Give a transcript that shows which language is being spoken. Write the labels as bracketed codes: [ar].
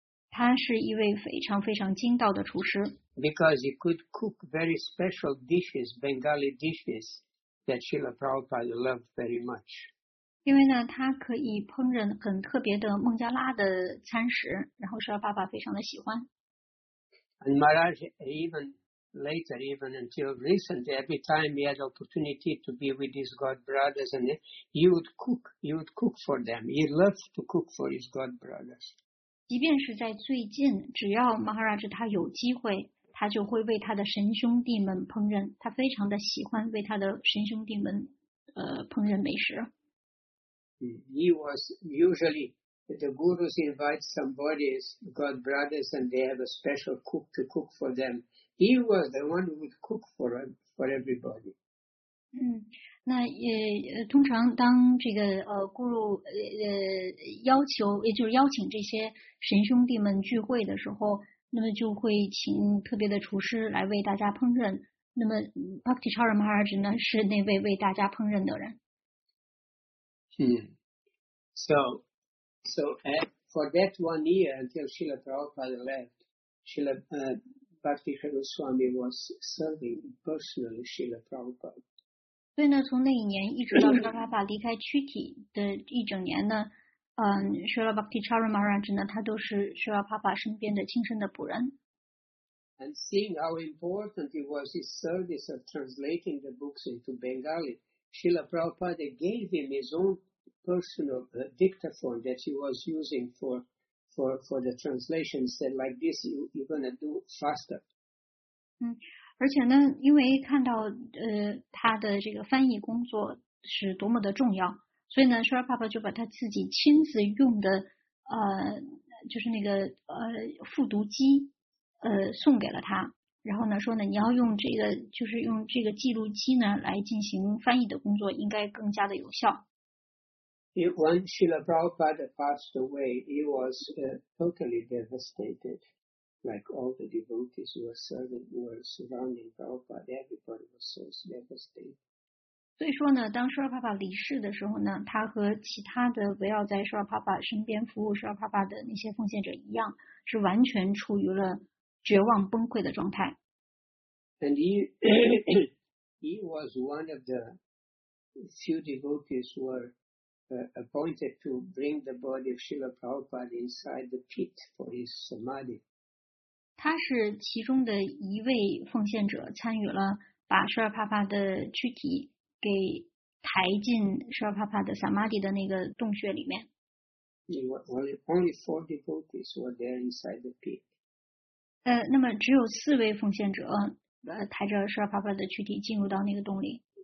[zh] 他是一位非常非常精到的厨师。 [en] Because he could cook very special dishes, Bengali dishes, that Srila Prabhupada loved very much. [zh] 因为呢他可以烹饪很特别的孟加拉的餐食，然后Srila Prabhupada非常的喜欢。 [en] And Maharaj, even until recently, every time he had opportunity to be with his god brothers, and he would cook for them. He loved to cook for his god brothers. [zh] 即便是在最近，只要 Maharaj 他有机会，他就会为他的神兄弟们烹饪，他非常的喜欢为他的神兄弟们烹饪美食。 [en] He was usually the gurus invite somebody's god brothers and they have a special cook to cook for them. He was the one who would cook for everybody. [zh] 那通常当这个guru要求也就是邀请这些神兄弟们聚会的时候，那么就会请特别的厨师来为大家烹饪。那么 Bhakti Chara Maharaj 呢是那位为大家烹饪的人。 [en] So, for that 1 year until Srila Prabhupada left, Srila Bhakti Kharuswami was serving personally Srila Prabhupada. [zh] 所以呢，从那一年一直到Srila Prabhupada离开躯体的一整年呢，Srila Bhakti Chara Maharaj 呢，他都是Srila Prabhupada身边的亲身的仆人。 [en] And seeing how important it was his service of translating the books into Bengali, Srila Prabhupada gave him his own. Personal dictaphone that he was using for the translation said like this you're gonna do faster. [zh] 而且呢，因为看到他的这个翻译工作是多么的重要，所以呢 ，Srila Prabhupada 就把他自己亲自用的就是那个复读机送给了他，然后呢说呢，你要用这个就是用这个记录机呢来进行翻译的工作，应该更加的有效。 [en] When Srila Prabhupada passed away, he was totally devastated, like all the devotees who were serving, who were surrounding Prabhupada, everybody was so devastated. [zh] 所以说呢，当Srila Prabhupada离世的时候呢，他和其他的围绕在Srila Prabhupada身边服务Srila Prabhupada的那些奉献者一样，是完全处于了绝望崩溃的状态。 [en] And he was one of the few devotees who were appointed to bring the body of Srila Prabhupada inside the pit for his samadhi. [zh] 他是其中的一位奉献者，参与了把舍尔帕帕的躯体给抬进舍尔帕帕的萨玛迪的那个洞穴里面。 [en] Only four devotees were there inside the pit. [zh] 那么只有四位奉献者抬着舍尔帕帕的躯体进入到那个洞里。